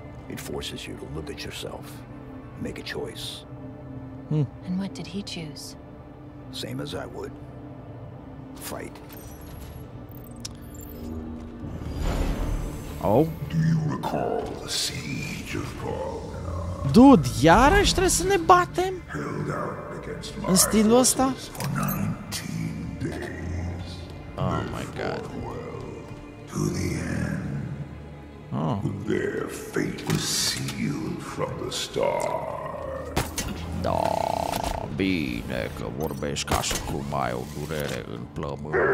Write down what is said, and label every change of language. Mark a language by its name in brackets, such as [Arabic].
[English] It forces you to look at yourself. Make a choice. And what did he choose? Same as I would. Fight. Oh. Do you recall the siege of Paul? [Romanian] Dude, iarăși trebuie să ne batem? [English] Held out against [Romanian] my stilul ăsta? [English] For 19 days. Oh my god. Well, to the end. Oh. Their fate was sealed from the start. [Romanian] Da. Bine că vorbești ca și cum ai o durere în plămâ.